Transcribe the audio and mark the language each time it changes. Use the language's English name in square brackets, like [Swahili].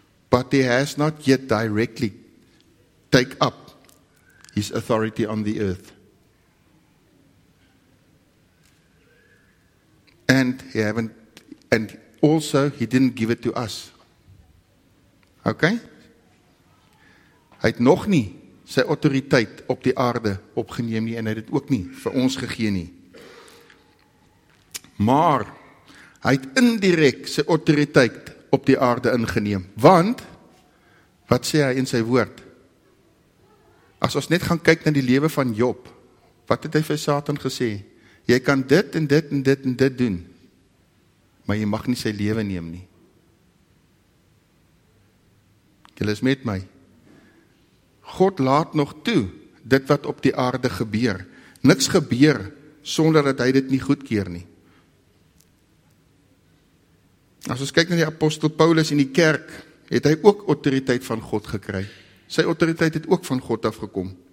[English] But he has not yet directly take up his authority on the earth. And also he didn't give it to us. Ok? [Afrikaans] Hy het nog nie sy autoriteit op die aarde opgeneem nie, en hy het ook nie vir ons gegee nie. Maar, hy het indirect sy autoriteit op die aarde ingeneem, want, wat sê hy in sy woord? As ons net gaan kyk na die lewe van Job, wat het hy vir Satan gesê? Jy kan dit en dit en dit en dit doen, maar jy mag nie sy lewe neem nie. Julle is met my. God laat nog toe dit wat op die aarde gebeur. Niks gebeur sonder dat hy dit nie goedkeur nie. As ons kyk na die apostel Paulus in die kerk, het hy ook autoriteit van God gekry. Sy autoriteit het ook van God afgekom.